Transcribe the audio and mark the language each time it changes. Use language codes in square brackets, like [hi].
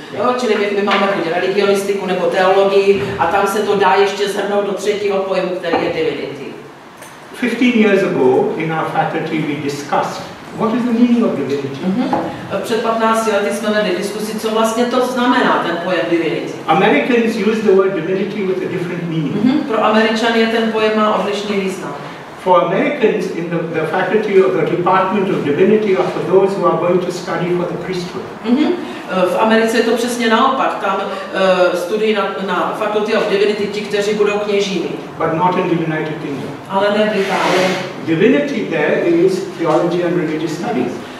[en] Yeah. [cs] Jo, čili my máme buď religionistiku nebo teologii a tam se to dá ještě zhrnout do třetího pojmu, který je divinity. [en] 15 years ago in our faculty we discussed what is the meaning of divinity? [cs] Před 15 lety jsme vedli diskusi, co vlastně to znamená, ten pojem divinity. [en] Americans use the word divinity with a different meaning. [cs] Pro Američany je ten pojem má odlišný význam. [en] For Americans in the faculty of the Department of Divinity are for those who are going to study for the priesthood. [cs] V Americe je to přesně naopak. Tam studují na faculty of Divinity ti, kteří budou kněžími. [en] But not in the United Kingdom. [cs] Ale ne v Británii. [en] Divinity there is theology and religious studies.